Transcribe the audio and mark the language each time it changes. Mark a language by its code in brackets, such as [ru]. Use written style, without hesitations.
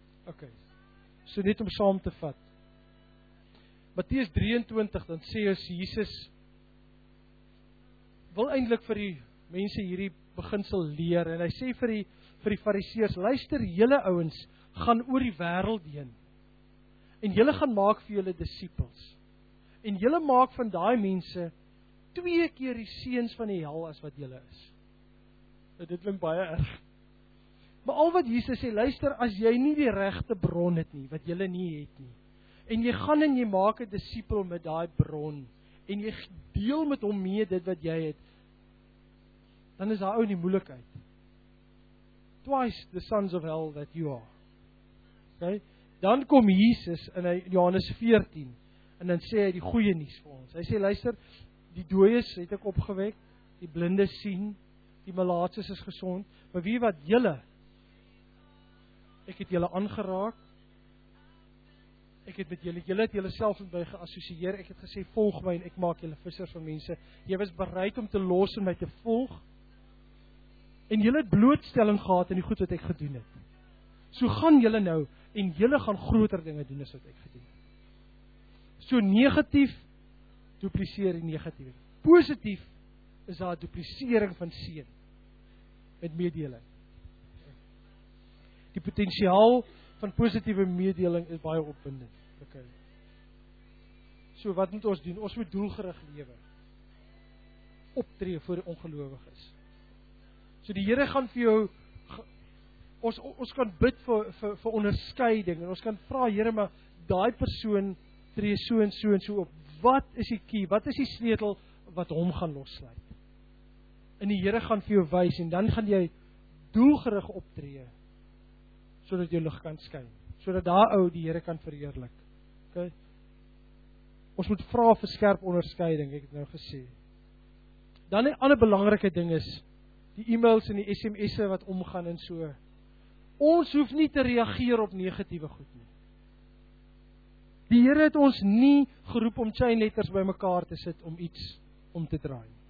[af] Ok, so net om saam te vat. Matteus 23, dan sê ons, Jesus wil eintlik vir die mense hierdie beginsel leer, en hy sê vir die fariseers, luister, julle ouens gaan oor die wêreld heen, en julle gaan maak vir julle disippels, en julle maak van daai mense twee keer die seuns van die hel as wat julle is. En dit klink baie erg. Maar al wat Jesus sê, luister, as jy nie die regte bron het nie, wat julle nie het nie, en jy gaan en jy maak 'n disipel met daai bron, en jy deel met hom mee dit wat jy het, dan is daai ou in die moeilikheid. [en] Twice the sons of hell that you are. [af] Okay? Dan kom Jesus in Johannes 14, en dan sê hy die goeie nuus vir ons. Hy sê, luister, die dooies het ek opgewek, die blindes sien, die malaatses is gesond, maar wie wat julle, ek het julle aangeraak. Ek het met julle, julle het julle self met my geassosieer. Ek het gesê, volg my en ek maak julle vissers van mense. Jy was bereid om te los en my te volg. En julle het blootstelling gehad in die goed wat ek gedoen het. So gaan julle nou en julle gaan groter dinge doen as wat ek gedoen het. So negatief, dupliseer die negatief. Positief is daar duplisering van seën met meedeling. Die potensiaal van positiewe meedeling is baie opwindend. Okay. So wat moet ons doen? Ons moet doelgerig lewe. Optree voor ongelowiges. So die Here gaan vir jou, ons kan bid vir onderskeiding, en ons kan vra, Here, maar daai persoon tree so en so en so op. Wat is die key? Wat is die sleutel wat hom gaan lossluit? En die Here gaan vir jou wys, en dan gaan jy doelgerig optree, sodat jou lig kan skyn, sodat daai ou die Here kan verheerlik. Okay. Ons moet vra vir skerp onderskeiding, ek het nou gesê. Dan 'n ander belangrike ding is die e-mails en die SMS'e wat omgaan en so. Ons hoef nie te reageer op negatiewe goed nie. Die Here het ons nie geroep om chain letters by mekaar te sit om iets om te draai.